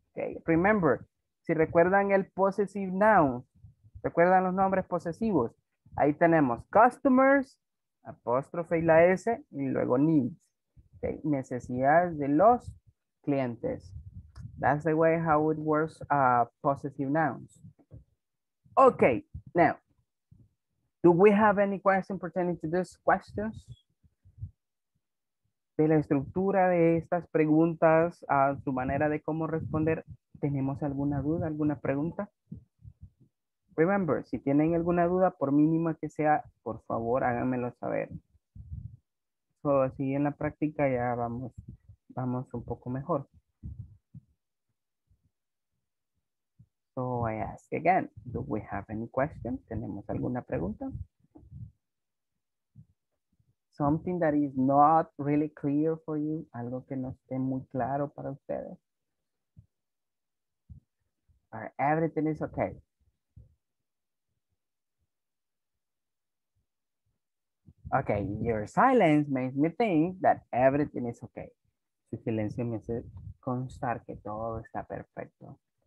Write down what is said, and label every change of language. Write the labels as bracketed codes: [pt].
[es] Okay, remember, si recuerdan el possessive noun, recuerdan los nombres posesivos, ahí tenemos customers, apóstrofe y la S, y luego needs. Okay. Necesidades de los clientes. [en] That's the way how it works, possessive nouns. Okay, now, do we have any questions pertaining to these questions? [es] De la estructura de estas preguntas, a su manera de cómo responder, ¿tenemos alguna duda, alguna pregunta? Remember, si tienen alguna duda, por mínima que sea, por favor, háganmelo saber. Solo así en la práctica ya vamos un poco mejor. [en] So I ask again, do we have any question? ¿Tenemos alguna pregunta? [es] Something that is not really clear for you, algo que no esté muy claro para ustedes. [en] Or everything is okay. Okay, your silence makes me think that everything is okay. [es] Su silencio me hace constar que todo está perfecto.